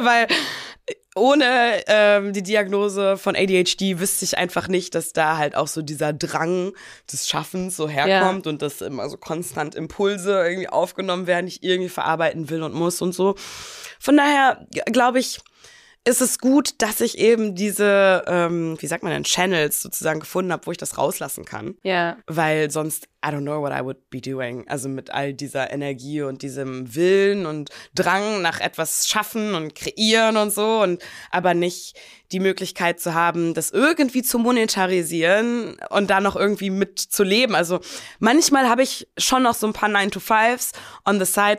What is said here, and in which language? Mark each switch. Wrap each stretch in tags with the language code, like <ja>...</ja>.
<de>Weil ohne die Diagnose von ADHD wüsste ich einfach nicht, dass da halt auch so dieser Drang des Schaffens so herkommt und dass immer so konstant Impulse irgendwie aufgenommen werden, ich irgendwie verarbeiten will und muss und so. Von daher glaube ich, ist es gut, dass ich eben diese, wie sagt man denn, Channels sozusagen gefunden habe, wo ich das rauslassen kann. Ja. Weil sonst,</de> <en>I don't know what I would be doing.</en> <de>Also mit all dieser Energie und diesem Willen und Drang nach etwas schaffen und kreieren und so. Und aber nicht die Möglichkeit zu haben, das irgendwie zu monetarisieren und da noch irgendwie mit zu leben. Also manchmal habe ich schon noch so ein paar 9-to-5s</de> <en>on the side.</en>